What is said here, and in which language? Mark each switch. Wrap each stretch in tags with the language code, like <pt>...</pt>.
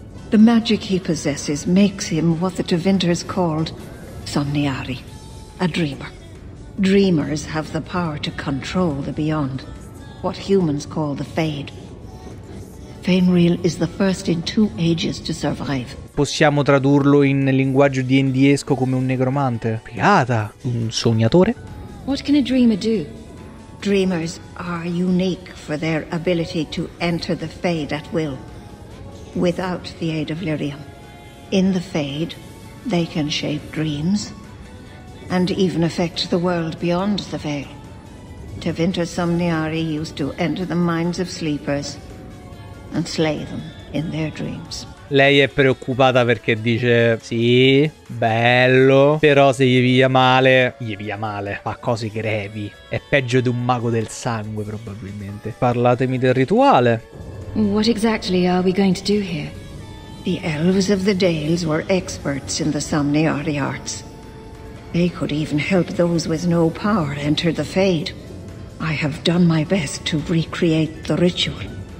<en>The magic he possesses makes him what the Tevinters called somniari, a dreamer. Dreamers have the power to control the beyond, what humans call the Fade. Faenriel is the first in two ages to survive.</en> <it>Possiamo tradurlo in linguaggio D&D-esco come un negromante? Figata! Un sognatore?</it> <en>What can a dreamer do? Dreamers are unique for their ability to enter the Fade at will, without the aid of Lyrium. In the Fade, they can shape dreams, and even affect the world beyond the veil. Tevinter Somniari used to enter the minds of sleepers and slay them in their dreams.</en> <it>Lei è preoccupata perché dice: sì, bello, però se gli via male, gli via male. Fa cose grevi. È peggio di un mago del sangue, probabilmente. Parlatemi del rituale.</it> <en>What exactly are we going to do here? The elves of the Dales were experts in the Somniari arts. They could even help those with no power enter the Fade. I have done my best to recreate the ritual.</en>